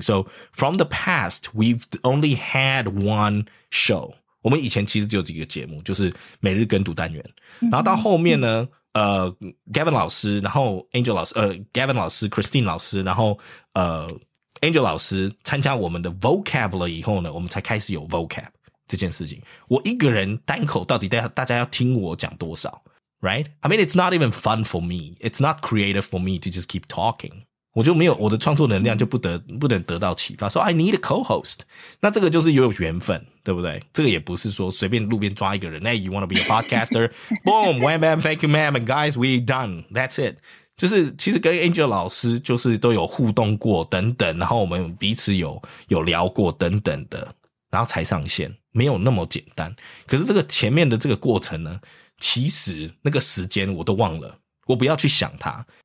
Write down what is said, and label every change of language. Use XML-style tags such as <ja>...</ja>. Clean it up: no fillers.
<en>So from the past, we've only had one show.</en> <zh>我们以前其实只有几个节目，就是每日跟读单元。然后到后面呢，Gavin 老师，然后 Angel 老师，Gavin 老师 ，Christine 老师，然后Angel 老师参加我们的 vocab 了以后呢，我们才开始有 vocab 这件事情。我一个人单口到底大家要听我讲多少 ？</zh> <en>Right? I mean, it's not even fun for me. It's not creative for me to just keep talking.</en> <zh>我就没有我的创作能量就不能得到启发。</zh> <en>So I need a co-host.</en> <zh>那这个就是有缘分。对不对？这个也不是说随便路边抓一个人。</zh> <en>Hey, you want to be a podcaster? Boom, wham, bam, thank you, ma'am, and guys, we done. That's it.</en> <zh>就是其实跟 Angel 老师就是都有互动过等等，然后我们彼此有聊过等等的，然后才上线，没有那么简单。可是这个前面的这个过程呢，其实那个时间我都忘了，我不要去想它。</zh>